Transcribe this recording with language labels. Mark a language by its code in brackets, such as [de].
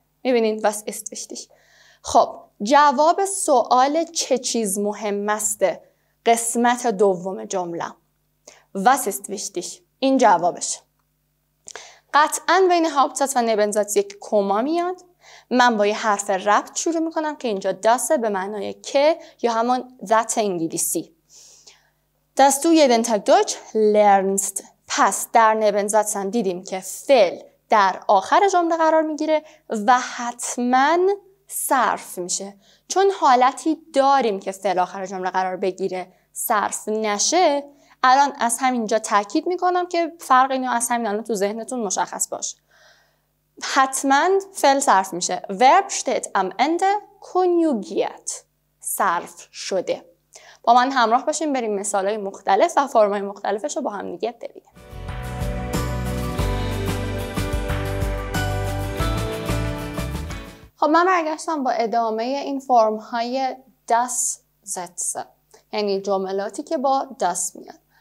[fa] می‌بینید [de] واس است ویشتیش. [fa] خب جواب سوال چه چیز مهم است قسمت دوم جمله. [de] واس است ویشتیش. [fa] این جوابش. قطعاً بین هاوبتزت و نبنزتس یک کما میاد. من با یه حرف ربط شروع میکنم که اینجا داسه به معنای که یا همون ذات انگلیسی. [de] Das du jeden Tag Deutsch lernst. [fa] پس در نبنزتس هم دیدیم که فعل در آخر جمله قرار میگیره و حتماً صرف میشه. چون حالتی داریم که فعل آخر جمله قرار بگیره صرف نشه، الان از همینجا تاکید میکنم که فرق اینو از همین الان تو ذهنتون مشخص باشه. حتما فعل صرف میشه. [de] Verb steht am Ende konjugiert. [fa] صرف شده. با من همراه باشیم بریم مثالای مختلف و فرمای مختلفش رو با هم دیگه ببینیم. خب من برگشتم با ادامه این فرم های داس زتسه، یعنی جملاتی که با داس میاد.